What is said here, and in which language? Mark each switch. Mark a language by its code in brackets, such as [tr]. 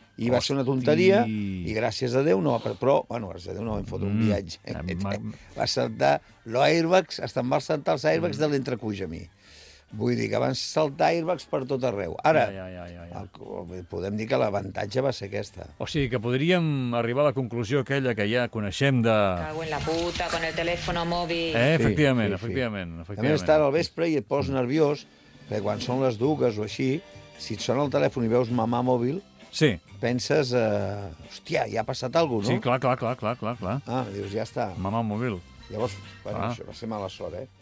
[ca] I va ser una tonteria, i gràcies a Déu no va... Però, bueno, gràcies a Déu no vam fotre un viatge. Va saltar l'airbags, estan mal saltar els airbags de l'entrecuix a mi. Vull dir que van saltar airbags per tot arreu. Ara, podem dir que l'avantatge va ser aquesta. O sigui, que podríem arribar a la conclusió aquella que ja coneixem de... [es] Cago en la puta, con el teléfono móvil. [ca] Efectivament. A més, estar al vespre i et poses nerviós, perquè quan són les dues o així, si et sona el telèfon i veus mamà mòbil, penses, hòstia, ja ha passat alguna cosa, no? Sí, clar. Ah, dius, ja està. Mamà mòbil. Llavors, bueno, això va ser mala sort,